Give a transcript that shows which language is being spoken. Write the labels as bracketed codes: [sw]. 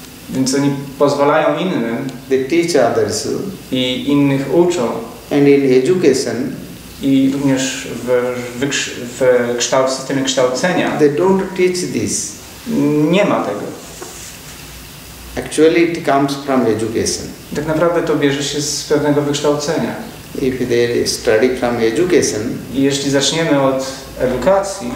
[pl] Więc oni pozwalają innym. [en] They teach others. [pl] I innych uczą. [en] And in education. [pl] I również w systemie kształcenia. [en] They don't teach this. [pl] Nie ma tego. [en] Actually, it comes from education. [pl] Tak naprawdę to bierze się z pewnego wykształcenia. [en] If they study from education, [pl] i jeśli zaczniemy od edukacji,